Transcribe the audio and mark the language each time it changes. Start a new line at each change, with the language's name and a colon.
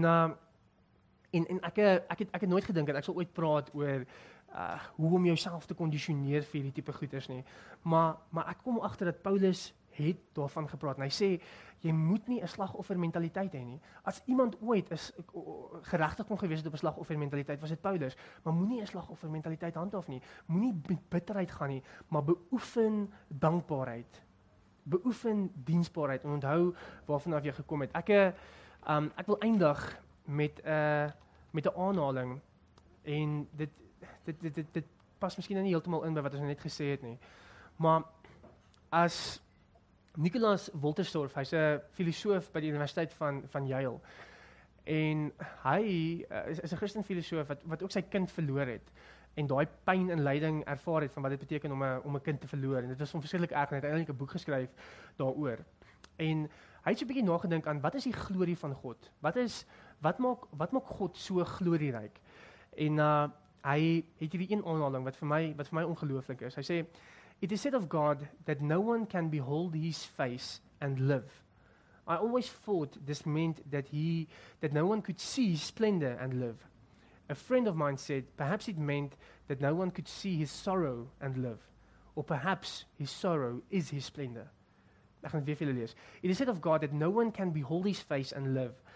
Afrikaans: En ek het nooit gedink, dat ek sal ooit praat oor hoe om jouself te conditioneer vir die type goeders nie, maar ek kom achter dat Paulus het daarvan gepraat, en hy sê, jy moet nie 'n slagoffer mentaliteit hê nie. As iemand ooit is geregtig kon gewees het op 'n slagoffer mentaliteit, was dit Paulus. Maar moenie 'n slagoffer mentaliteit handhaaf nie. Moenie bitterheid gaan nie, maar beoefen dankbaarheid. Beoefen diensbaarheid en onthou waarvan af jy gekom het. Ek wil eindig met 'n aanhaling en dit pas miskien nie heeltemal in by wat ons net gesê het nie. Maar as Nicholas Wolterstorff, hy is 'n filosoof by die Universiteit van Yale, en hy is 'n Christen filosoof wat ook sy kind verloor het, en daai pyn en lyding ervaar het van wat dit beteken om 'n kind te verloor, en dit was hom verskriklik erg, en hy het eintlik 'n boek geskryf daaroor, en hy het so 'n bietjie nagedink aan, wat is die glorie van God, wat maak God so glorieryk, en hy het hierdie een aanhaling, wat vir my ongelooflik is, hy sê,
English: "It is said of God that no one can behold his face and live. I always thought this meant that no one could see his splendor and live. A friend of mine said, perhaps it meant that no one could see his sorrow and live. Or perhaps his sorrow is his splendor." "It is said of God that no one can behold his face and live.